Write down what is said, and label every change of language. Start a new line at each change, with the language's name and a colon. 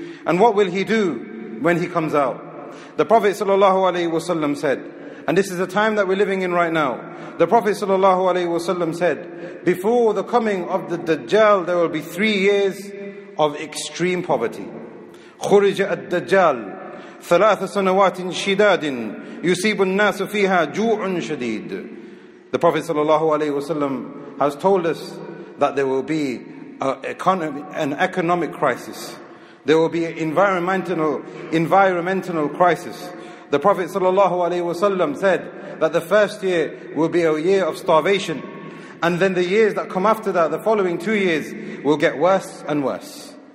English: And what will he do when he comes out? The Prophet sallallahu alaihi wasallam said, and this is the time that we're living in right now. The Prophet sallallahu alaihi wasallam said, before the coming of the Dajjal, there will be 3 years of extreme poverty.
Arabic: خرج الدجال ثلاث سنوات شداد يصيب الناس فيها جوع شديد.
English: The Prophet sallallahu alaihi wasallam has told us that there will be an economic crisis. There will be an environmental crisis. The Prophet sallallahu alaihi wasallam said that the first year will be a year of starvation, and then the years that come after that, the following 2 years, will get worse and worse.